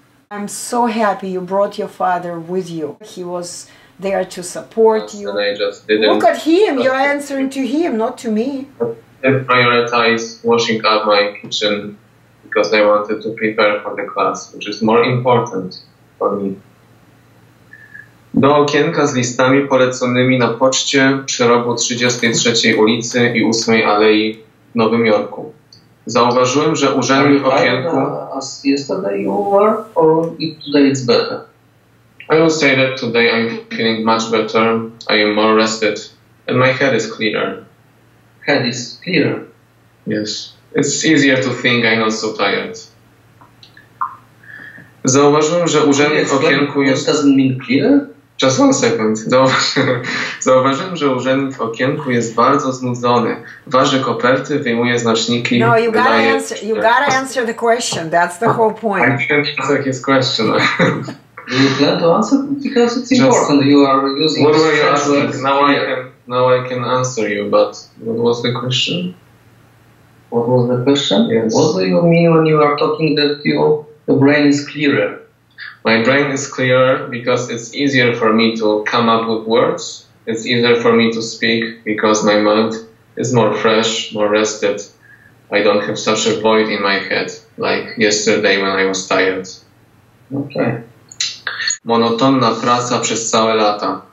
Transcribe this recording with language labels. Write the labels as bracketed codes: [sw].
[en] I'm so happy you brought your father with you. He was there to support you. And I just didn't. Look at him, you're answering to him, not to me. I prioritized washing up my kitchen because I wanted to prepare for the class, which is more important for me. [pl] Do okienka z listami poleconymi na poczcie przy rogu 33 ulicy i 8 alei w Nowym Jorku. Zauważyłem, że urzędnik okienku... [en] As yesterday you were, or today it's better? I would say that today I'm feeling much better, I am more rested, and my head is clearer. Head is clearer? Yes. It's easier to think, I'm not so tired. [pl] Zauważyłem, że urzędnik okienku jest... [en] That doesn't mean clearer? Just one second. [pl] Zauważyłem, że urzędnik w okienku jest bardzo znudzony. Waży koperty, wyjmuje znaczniki. [en] No, you gotta wydaje... answer. You gotta answer the question. That's the whole point. I can't answer his question. Do you plan to answer? Because it's important. Just, you are using. What were you asking? Now I can answer you. But what was the question? What was the question? Yes. What do you mean when you are talking that your brain is clearer? My brain is clearer because it's easier for me to come up with words. It's easier for me to speak because my mind is more fresh, more rested. I don't have such a void in my head like yesterday when I was tired. Okay. [pl] Monotonna praca przez całe lata.